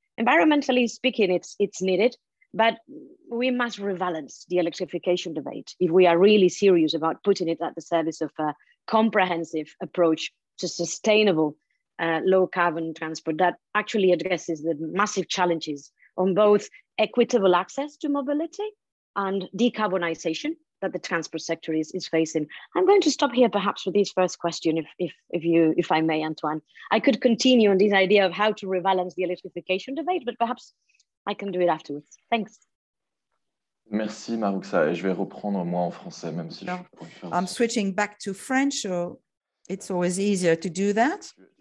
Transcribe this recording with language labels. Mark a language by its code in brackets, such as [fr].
[en] Environmentally speaking, it's needed, but we must rebalance the electrification debate if we are really serious about putting it at the service of a comprehensive approach to sustainable low carbon transport that actually addresses the massive challenges on both equitable access to mobility and decarbonisation that the transport sector is facing. I'm going to stop here perhaps with this first question, if I may, Antoine. I could continue on this idea of how to rebalance the electrification debate, but perhaps I can do it afterwards. Thanks. [fr] Merci, Maruxa. Et je vais reprendre moi en français, même si je... [en] I'm switching back to French, so it's always easier to do that.